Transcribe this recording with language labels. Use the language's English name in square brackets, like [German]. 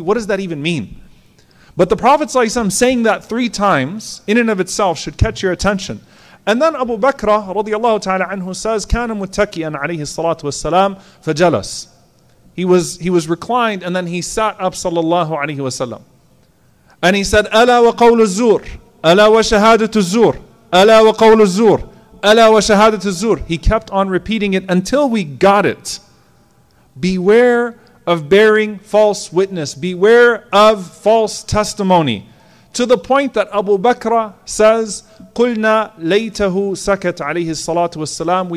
[English] What does that even mean? But the Prophet ﷺ saying that three times in and of itself should catch your attention. And then Abu Bakr radiallahu ta'ala anhu says, [Arabic] كَانَ مُتَّكِيًا عَلَيْهِ الصَّلَاةُ وَالسَّلَامُ فَجَلَسُ. [English] He was reclined and then he sat up sallallahu alayhi wa sallam. And he said, [Arabic] أَلَا وَقَوْلُ الزُّورِ أَلَا وَشَهَادَةُ الزُّورِ أَلَا وَقَوْلُ الزُّورِ أَلَا وَشَهَادَةُ الزُّورِ. [English] He kept on repeating it until we got it. Beware of bearing false witness. Beware of false testimony. To the point that Abu Bakr says, [Arabic] قُلْنَا لَيْتَهُ سَكَتْ عَلَيْهِ الصَّلَاةُ وَالسَّلَامُ.